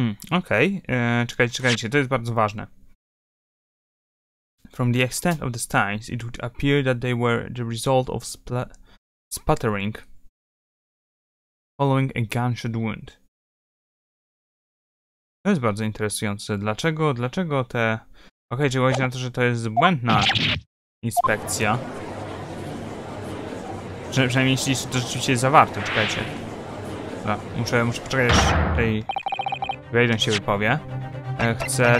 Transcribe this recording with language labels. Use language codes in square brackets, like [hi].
[pl] Okej. Okay. Czekajcie, to jest bardzo ważne. [en] From the extent of the signs, it would appear that they were the result of spluttering following a gunshot wound. [pl] To jest bardzo interesujące. Dlaczego te... Okej, czy chodzi na to, że to jest błędna inspekcja? Przynajmniej jeśli to rzeczywiście jest zawarte, czekajcie. No, muszę poczekać, aż tej Raiden się wypowie. Chcę...